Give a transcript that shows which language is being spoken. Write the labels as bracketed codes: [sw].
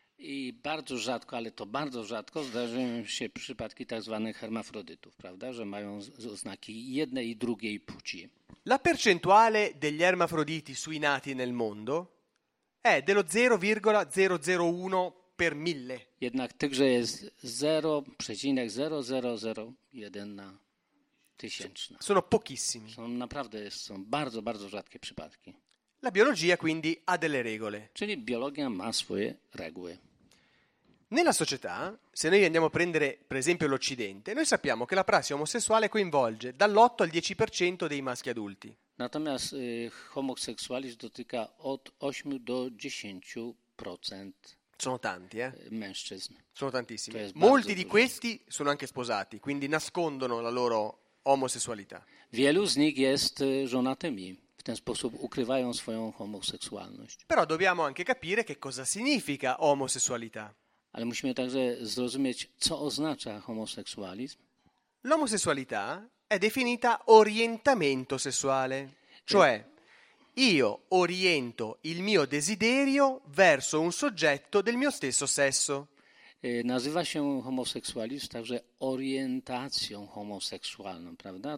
[pl] I bardzo rzadko, ale to bardzo rzadko, zdarzają się przypadki tak zwanych hermafrodytów, prawda, że mają oznaki jednej i drugiej płci. [it] La percentuale degli ermafroditi sui nati nel mondo è dello 0,001 per mille. [pl] Jednak tychże jest 0,0001 na tysięczna. [it] Sono pochissimi. [pl] Są naprawdę, są bardzo, bardzo rzadkie przypadki. [it] La biologia quindi ha delle regole. [pl] Czyli biologia ma swoje regły. [it] Nella società, se noi andiamo a prendere per esempio l'Occidente, noi sappiamo che la prassi omosessuale coinvolge dall'8 al 10% dei maschi adulti. [pl] Natomiast homoseksualizm dotyka od 8 do 10%. [it] Sono tanti, eh? [pl] Mężczyzn. [it] Sono tantissimi. Molti di questi sono anche sposati, quindi nascondono la loro omosessualità. [pl] Wielu z nich jest żonatymi. W ten sposób ukrywają swoją homoseksualność. [it] Però dobbiamo anche capire che cosa significa omosessualità. [pl] Ale musimy także zrozumieć, co oznacza homoseksualizm. [it] L'omosessualità è definita orientamento sessuale. Cioè, io oriento il mio desiderio verso un soggetto del mio stesso sesso. [pl] Nazywa się homoseksualizm także orientacją homoseksualną, prawda?